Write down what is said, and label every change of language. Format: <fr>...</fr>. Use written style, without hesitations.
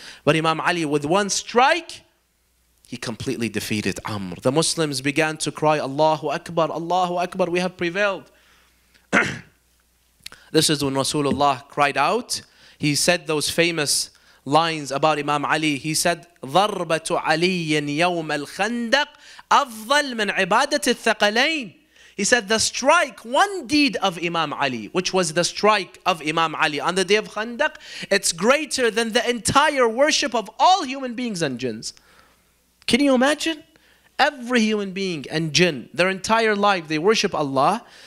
<en>But Imam Ali, with one strike, he completely defeated Amr. The Muslims began to cry, Allahu Akbar, Allahu Akbar, we have prevailed. This is when Rasulullah cried out. He said those famous lines about Imam Ali. He said,</en> <ar>ضَرْبَةُ عَلِيٍّ يَوْمَ الْخَنْدَقِ أَفْضَلْ مِنْ عِبَادَةِ الثَّقَلَيْنِ.</ar> <en>He said, the strike, one deed of Imam Ali, which was the strike of Imam Ali on the day of Khandaq, it's greater than the entire worship of all human beings and jinns. Can you imagine? Every human being and jinn, their entire life, they worship Allah.</en>